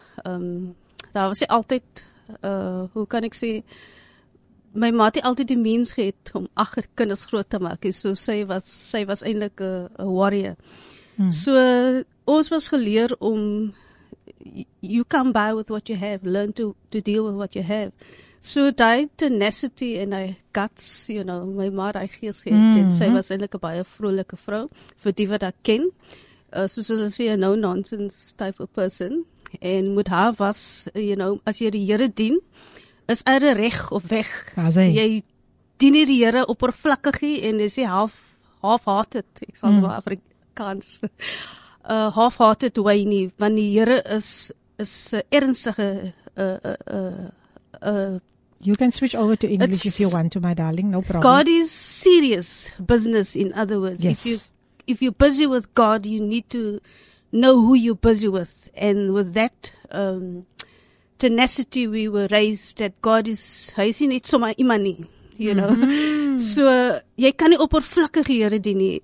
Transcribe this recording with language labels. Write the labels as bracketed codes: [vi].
[af] Daar was hy altyd, hoe kan ek sê, my ma het altyd die mens gehad om 8 kinders groot te maak. So sy was eintlik 'n warrior. So ons was geleer om, [en] you come by with what you have, learn to deal with what you have. [af] So die tenacity and die guts, you know, my ma die gees gehad. Mm-hmm. En sy was eintlik 'n baie vrolike vrou, vir die wat haar ken. Soos hulle sê, [en] a no-nonsense type of person. [af] En met haar was, you know, as jy die Here dien, is hy reg of weg. Jy dien die Here oppervlakkig en jy sê half-hearted. Ek sal wel Afrikaans. Half-hearted way nie, want die Here is 'n ernstige [en] You can switch over to English if you want to, my darling. No problem. God is serious business, in other words. Yes. If you're busy with God, you need to know who you're busy with. And with that tenacity, we were raised that God is, [af] hy sien net sommer immer nie, [en] you know. [af] So, jy kan nie oppervlakkige Here dien nie.